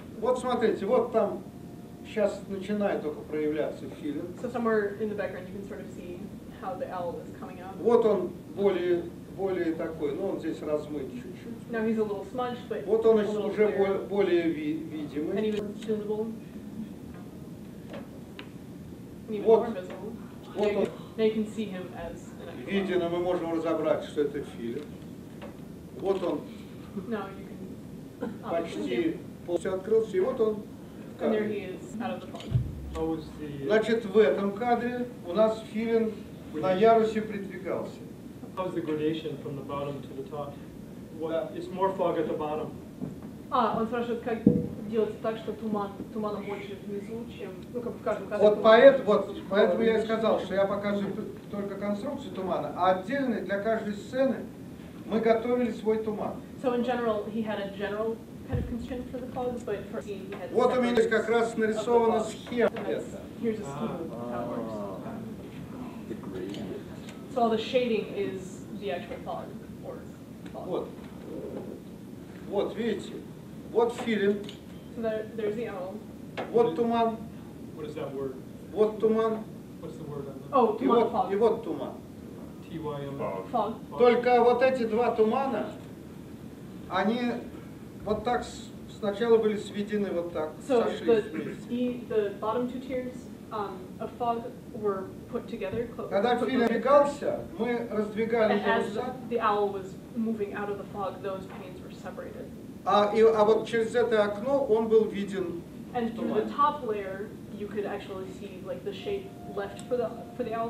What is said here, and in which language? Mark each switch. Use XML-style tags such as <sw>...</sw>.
<ru>Вот смотрите, вот там сейчас начинает только проявляться филин.</ru> <en>So somewhere in the background you can sort of see how the L is coming out.</en> <ru>Вот он более такой, но он здесь размыт чуть-чуть.</ru> <en>Now he's a little smudged, but</en> <ru>вот он уже более видимый.</ru> <en>And even visible.</en> <ru>Вот он.</ru> <en>Now you can see him as an</en> <ru>виден, мы можем разобрать, что это филин. Вот он.</ru> <en>Now you can</en> <ru>почти полностью открылся, и вот он.</ru> <en>And there he is, out of the fog. How was the...</en> <ru>Значит, в этом кадре у нас филин на ярусе придвигался.</ru> <en>How is the gradation from the bottom to the top? It's more fog at the bottom.</en> <ru>Он спрашивает, как делать так, что тумана больше внизу, чем, ну, как в каждом кадре. Вот поэтому я и сказал, что я показываю только конструкцию тумана, а отдельно для каждой сцены мы готовили свой туман.</ru> <en>So in general, he had a general kind of constraint for the fog, but for scene, he had.</en> <ru>Вот у меня как раз нарисована схема.</ru> <en>So here's a scheme of how it works. The gradient. So all the shading is the actual fog, or fog.</en> <ru>Вот. Вот, видите? Вот филин.</ru> <en>So there's the L.</en> <ru>Вот туман.</ru> <en>What is that word?</en> <ru>Вот туман.</ru> <en>What's the word?</en> <ru>Oh, туман, вот,</ru> <en>fog.</en> <ru>И вот туман.</ru> <en>T-Y-M. Fog.</en> <ru>Только вот эти два тумана, они вот так сначала были сведены вот так.</ru> <en>So the bottom two tiers of fog were put together.</en> <ru>Когда филин двигался, мы раздвигали его.</ru> <en>As the owl was moving out of the fog, those panes were separated.</en> <ru>А вот через это окно он был виден.</ru> <en>And through the top layer, you could actually see like the shape left for the owl.</en>